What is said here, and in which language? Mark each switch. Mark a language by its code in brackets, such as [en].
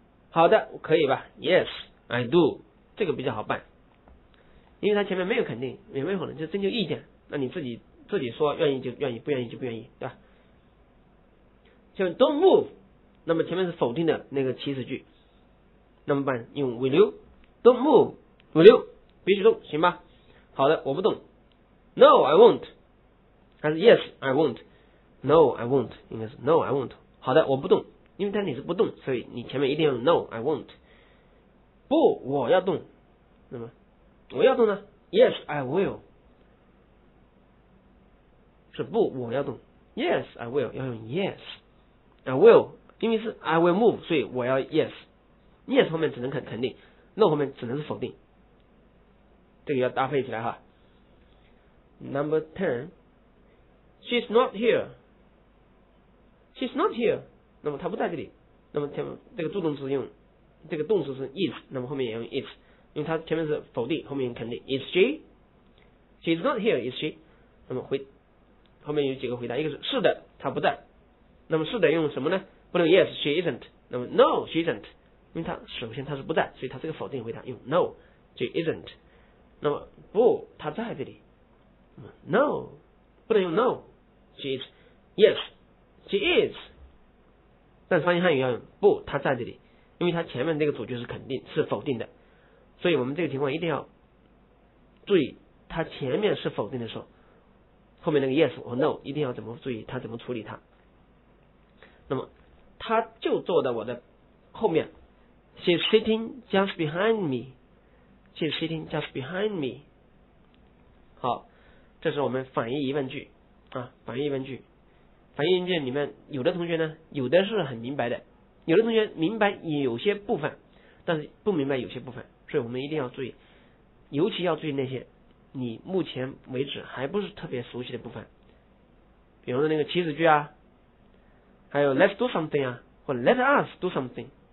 [zh] 好的，可以吧 ？ [en] Yes, I do. [zh] 这个比较好办，因为它前面没有肯定，也没有否定，就征求意见。那你自己说愿意就愿意，不愿意就不愿意，对吧？像 [en] don't move， [zh] 那么前面是否定的那个祈使句，那么办用 [en] will you？ Don't move， will you？ [zh] 别去动，行吧？好的，我不动。 [en] No， I won't。 [zh] 还是 [en] Yes， I won't。 No， I won't。 [zh] 应该是 [en] No， I won't。 [zh] 好的，我不动，因为它你是不动，所以你前面一定要用 No， I won't。不，我要动。那么我要动呢 ？ [en] Yes， I will。 [zh] 是不，我要动。 [en] Yes, I will. [zh] 要用 [en] Yes, I will. [zh] 因为是 [en] I will move， [zh] 所以我要 Yes。 Yes 后面只能肯定 ，No 后面只能是否定。这个要搭配起来哈。 [en] Number ten, she's not here. She's not here. [zh] 那么她不在这里。那么前面这个助动词用，这个动词是 is， 那么后面也用 is， 因为它前面是否定，后面肯定。 [en] Is she? She's not here. Is she? [zh] 那么回。后面有几个回答，一个是是的，他不在。那么是的用什么呢？不能 [en] yes she isn't， [zh] 那么 [en] no she isn't， [zh] 因为他首先他是不在，所以他这个否定回答用 [en] no she isn't。 [zh] 那么不，他在这里。no 不能用 [en] no she is yes she is， [zh] 但是翻译汉语要用不，他在这里，因为他前面这个主句是肯定是否定的，所以我们这个情况一定要注意，他前面是否定的时候，后面那个 yes 和 no 一定要怎么注意，他怎么处理它。那么他就坐在我的后面。 [en] She's sitting just behind me. She's sitting just behind me. [zh] 好，这是我们反义疑问句啊，反义疑问句。反义疑问句里面，有的同学呢，有的是很明白的，有的同学明白有些部分，但是不明白有些部分，所以我们一定要注意，尤其要注意那些你目前为止还不是特别熟悉的部分，比如说那个祈使句啊，还有 [en] Let's do something [zh] 啊，或者 [en] Let us do something。